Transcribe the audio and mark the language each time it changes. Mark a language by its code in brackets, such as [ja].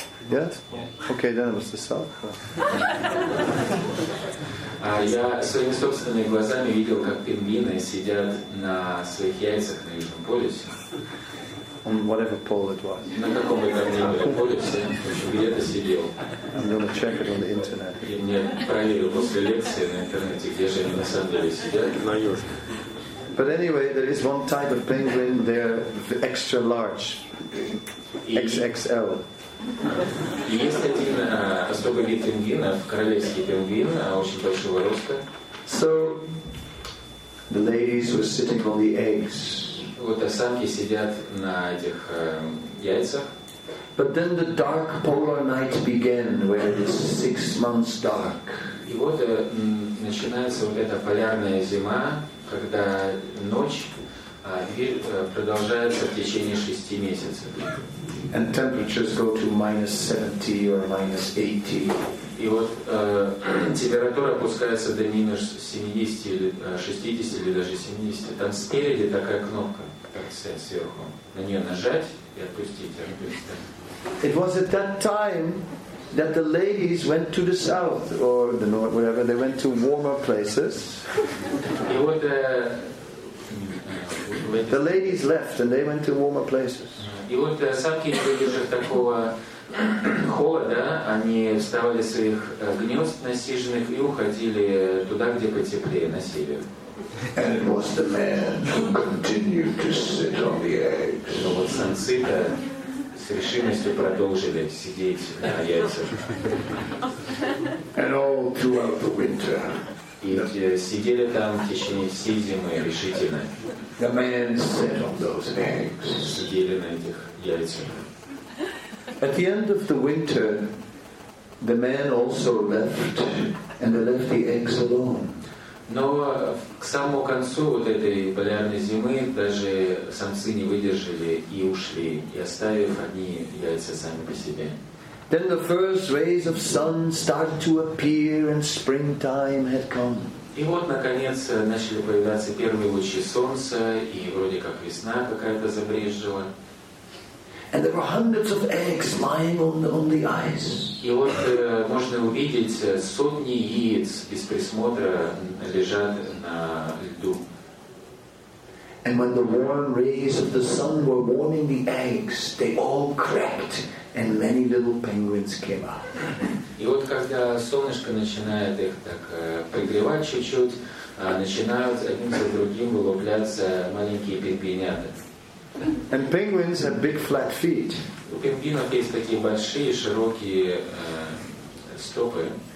[en] Yes? Okay, then it was the south. [ru] Я своими собственными глазами видел, как пингвины сидят на своих яйцах на Южном полюсе. [en] On whatever pole it was. [ru] На каком это ни было полюсе, где-то сидел. [en] I'm gonna check it on the internet. [ru] Я проверил после лекции на интернете, где же они на самом деле сидят. На южном. [en] But anyway, there is one type of penguin. They're extra large. XXL. [ru] Есть один особый вид пингвинов, королевский пингвин, очень большого роста. [en] So the ladies were sitting on the eggs. [ru] Вот самки сидят на этих яйцах. [en] But then the dark polar night began, where it is 6 months dark. [ru] И вот начинается вот эта полярная зима, когда ночь продолжается в течение 6 месяцев. [en] And temperatures go to minus 70 or minus 80. [ru] И вот температура опускается до минус 70 или 60 или даже 70. Там спереди такая кнопка, как сказать, сверху. На нее нажать и отпустить. [en] It was at that time that the ladies went to the south or the north, whatever, they went to warmer places. [ru] И вот [en] the ladies left and they went to warmer places. [ru] И вот самки, выдержав такого холода, они вставали своих гнезд насиженных и уходили туда, где потеплее, на север. [en] And it was the man who continued to sit on the eggs. [ru] Но вот самцы-то с решимостью продолжили сидеть на яйцах. [en] And all throughout the winter. [ru] И сидели там в течение всей зимы решительно. [en] The man sat on those eggs. [ru] Сидели на этих яйцах. [en] At the end of the winter, the man also left, and they left the eggs alone. [ru] Но к самому концу вот этой полярной зимы даже самцы не выдержали и ушли, и оставив одни яйца сами по себе. [en] Then the first rays of sun started to appear, and springtime had come. [ru] И вот наконец начали появляться первые лучи солнца, и вроде как весна какая-то забрезжила. [en] And there were hundreds of eggs lying on the ice. [ru] И вот можно увидеть сотни яиц без присмотра лежат на льду. [en] And when the warm rays of the sun were warming the eggs, they all cracked, and many little penguins came out. [ru] И вот когда солнышко начинает их так пригревать чуть-чуть, начинают один за другим вылупляться маленькие пингвинята. [en] And penguins have big flat feet. [ru] У пингвинов есть такие большие широкие стопы.